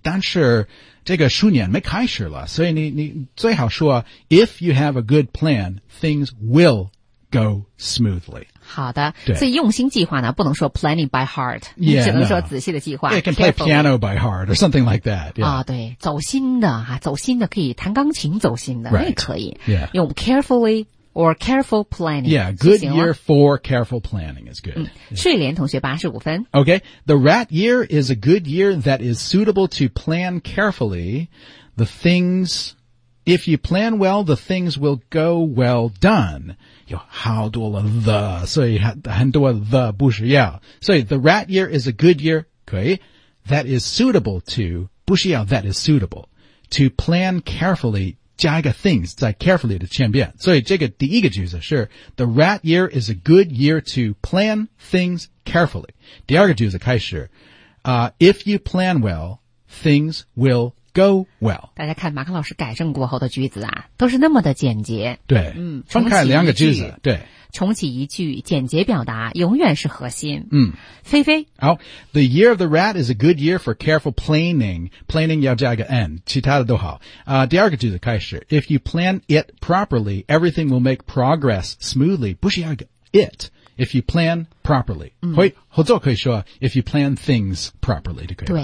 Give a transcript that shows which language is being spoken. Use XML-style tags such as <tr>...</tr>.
<zh>但是这个鼠年没开始了。所以 你最好说</zh> <en>If you have a good plan, things will go smoothly.</en> <zh>好的。所以用心计划呢不能说</zh> <en>planning by heart. Yeah,</en> <zh>你只能说仔细的计划。</zh> <en>You can play piano by heart or something like that.、Yeah.</en> <zh>啊、对。走心的、啊、走心的可以弹钢琴走心的。</zh> <en>Right.</en> <zh>那也可以。</zh> <en>Yeah. 用 carefully,Or careful planning. Yeah, good year for careful planning is good.、</en> <zh>嗯、睡莲同学85分。</zh> <en>Okay, the rat year is a good year that is suitable to plan carefully. The things, if you plan well, the things will go well done.</en> <zh>有好多了 the, 所以很多 the 不需要。</zh> <en>所以 the rat year is a good year, 可以 that is suitable to, 不需要 that is suitable, to plan carefully,</en> <zh>加一个 things 在 carefully 的前边，所以这个第一个句子是</zh> <en>The rat year is a good year to plan things carefully.</en> <zh>第二个句子开始、</zh> <en>If you plan well, things will go well.</en> <zh>大家看马克老师改正过后的句子啊，都是那么的简洁。对，嗯，分开两个句子，对，重启一句，简洁表达永远是核心。嗯，菲菲，</zh> <en>好、The year of the rat is a good year for careful planning. Planning 要加个 n,</en> <zh>其他的都好。第二个句子开始</zh> <en>，If you plan it properly, everything will make progress smoothly.</en> <zh>不需要个</zh> <en>it。If you plan properly,、嗯、</en> <zh>合作可以说</zh> <en>if you plan things properly, 就可以</en>